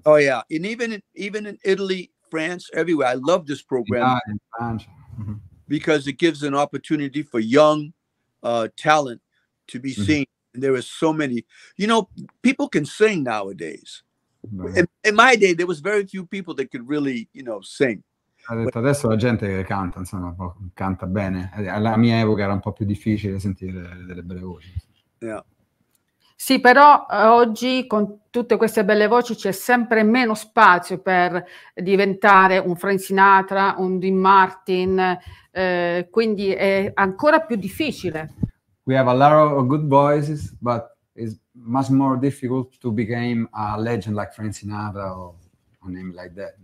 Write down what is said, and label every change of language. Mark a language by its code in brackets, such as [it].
[en] Oh yeah, and even in Italy, France, everywhere. I love this program. [it] In Francia. [en] Because it gives an opportunity for young talent to be seen. Mm-hmm. And there are so many. You know, people can sing nowadays. In my day, there was very few people that could really, you know, sing. [it] Ha detto adesso la gente canta, insomma, canta bene. Alla mia epoca era un po' più difficile sentire delle belle voci. [en] Yeah. [it] Sì, però oggi con tutte queste belle voci c'è sempre meno spazio per diventare un Frank Sinatra, un Dean Martin, quindi è ancora più difficile. [en] We have a lot of good voices, but it's much more difficult to become a legend like Frank Sinatra or a name like that.